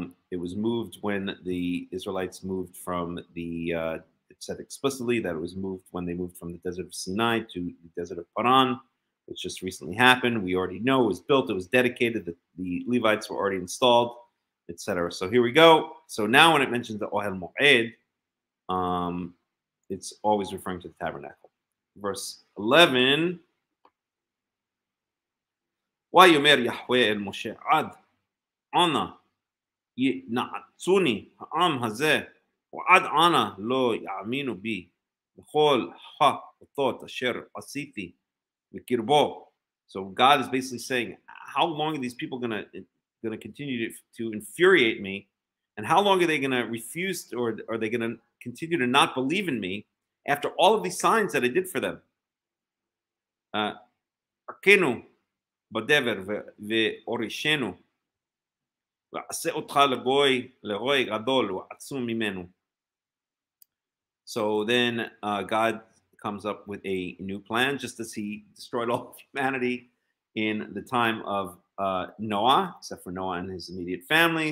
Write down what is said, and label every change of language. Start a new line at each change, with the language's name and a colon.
English: It was moved when the Israelites moved from the, it said explicitly that it was moved when they moved from the desert of Sinai to the desert of Paran, which just recently happened. We already know it was built, it was dedicated, the Levites were already installed, etc. So here we go. So now when it mentions the Ohel Moed, it's always referring to the tabernacle. Verse 11.
Hebrew: ויאמר יחווה אל משה עד אנה נעצוני העם הזה ועד אנה לא יאמינו בי בכל האותות אשר עשיתי בקרבו.
English: So God is basically saying, how long are these people gonna continue to infuriate me, and how long are they gonna refuse to, or are they gonna continue to not believe in me after all of these signs that I did for them?
Hebrew: Akenu בדבר ואורישנו ועשה אותך לגוי לרוי גדול ועצום ממנו.
English: So then God comes up with a new plan, just as he destroyed all humanity in the time of Noah, except for Noah and his immediate family.